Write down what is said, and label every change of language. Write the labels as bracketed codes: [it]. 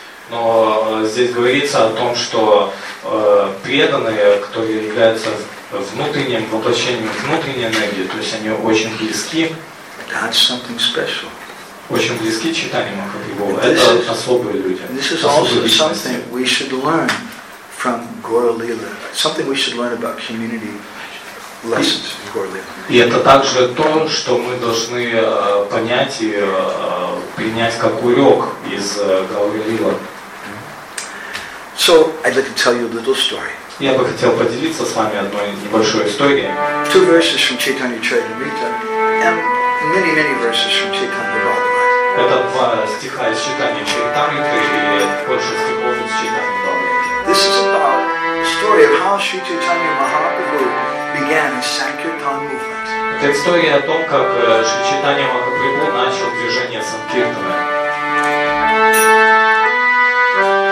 [ru] Но здесь говорится о том, что преданные, которые являются внутренним воплощением внутренней энергии, то есть они очень близки. [en] That's something special. [ru] Очень близки читания Махапрабху. Это особые люди. [en] This is also something we should learn from Gaura Lila. Something we should learn about community lessons in Gaura Lila. [ru] И это также то, что мы должны понять и принять как урок из Гаура Лила. [en] So I'd like to tell you a little story. [ru] Я бы хотел поделиться с вами одной небольшой историей. [en] Two verses from Chaitanya Charitamrita and many, many verses from Chaitanya Bhagavata. [ru] Это два стиха из Читания Чайтамриты и больше стихов из Читания Бхагавата. [en] This is about the story of how Sri Chaitanya Mahaprabhu began his Sankirtan movement. [ru] Это история о том, как Шри Чайтанья Махапрабху начал движение Санкиртаны.